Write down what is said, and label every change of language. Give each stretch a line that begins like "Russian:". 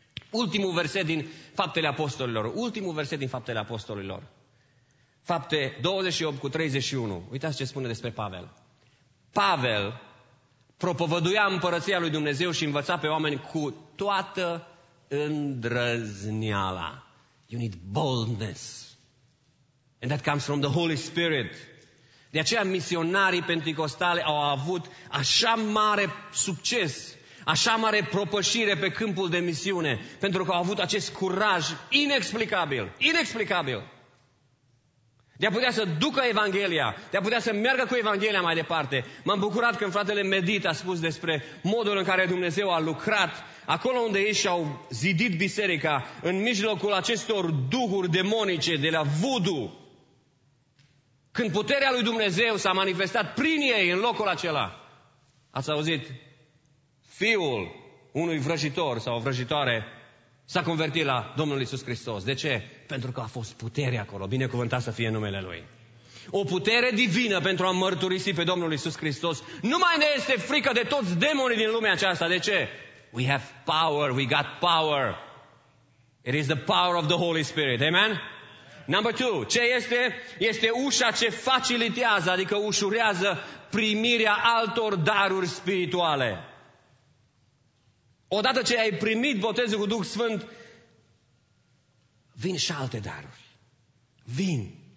Romanian: Ultimul verset din Faptele Apostolilor, ultimul verset din Faptele Apostolilor. Fapte 28 cu 31, uitați ce spune despre Pavel. Pavel propovăduia împărăția lui Dumnezeu și învăța pe oameni cu toată îndrăzneala.
English: You need boldness. And that comes from the Holy Spirit.
Romanian: De aceea misionarii penticostale au avut așa mare succes, așa mare propășire pe câmpul de misiune, pentru că au avut acest curaj inexplicabil, inexplicabil, de a putea să ducă Evanghelia, de a putea să meargă cu Evanghelia mai departe. M-am bucurat când fratele Medit a spus despre modul în care Dumnezeu a lucrat acolo unde ei și-au zidit biserica, în mijlocul acestor duhuri demonice de la vudu, când puterea lui Dumnezeu s-a manifestat prin ei în locul acela. Ați auzit? Fiul unui vrăjitor sau vrăjitoare s-a convertit la Domnul Iisus Hristos. De ce? Pentru că a fost putere acolo, binecuvântat să fie numele Lui. O putere divină pentru a mărturisi pe Domnul Iisus Hristos. Nu mai ne este frică de toți demonii din lumea aceasta. De ce?
English: We have power, we got power. It is the power of the Holy Spirit.
Romanian: Amen?
English: Number two,
Romanian: ce este? Este ușa ce facilitează, adică ușurează primirea altor daruri spirituale. Odată ce ai primit botezul cu Duh Sfânt, vin și alte daruri. Vin.